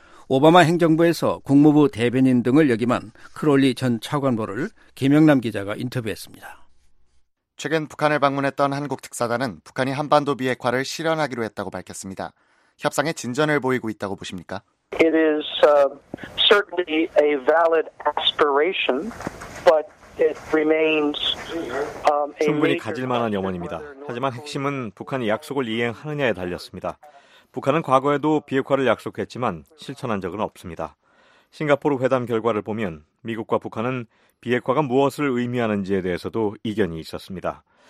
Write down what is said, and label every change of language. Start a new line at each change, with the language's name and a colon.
Korean: 오바마 행정부에서 국무부 대변인 등을 역임한 크롤리 전 차관보를 김영남 기자가 인터뷰했습니다. 최근 북한을 방문했던 한국 특사단은 북한이 한반도 비핵화를 실현하기로 했다고 밝혔습니다. 협상에 진전을 보이고 있다고 보십니까?
English: It is certainly a valid aspiration, but it remains a
Korean: 충분히 가질 만한 염원입니다. 하지만 핵심은 북한이 약속을 이행하느냐에 달렸습니다. 북한은 과거에도 비핵화를 약속했지만 실천한 적은 없습니다. 싱가포르 회담 결과를 보면 미국과 북한은 비핵화가 무엇을 의미하는지에 대해서도 이견이 있었습니다.